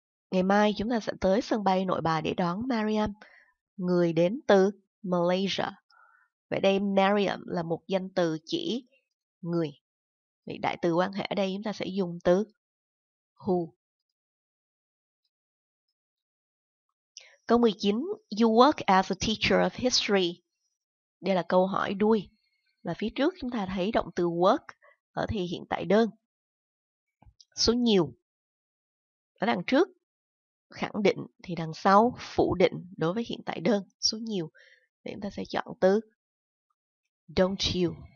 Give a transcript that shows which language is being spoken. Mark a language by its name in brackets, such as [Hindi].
[Vietnamese] Ngày mai chúng ta sẽ tới sân bay Nội Bài để đón Mariam, người đến từ Malaysia. Vậy đây Mariam là một danh từ chỉ người. Vậy đại từ quan hệ ở đây chúng ta sẽ dùng từ who. [English] Câu 19, you work as a teacher of history. [Vietnamese] Đây là câu hỏi đuôi. Và phía trước chúng ta thấy động từ work ở thì hiện tại đơn. Số nhiều. Ở đằng trước khẳng định thì đằng sau phủ định đối với hiện tại đơn, số nhiều. Thì chúng ta sẽ chọn từ don't you.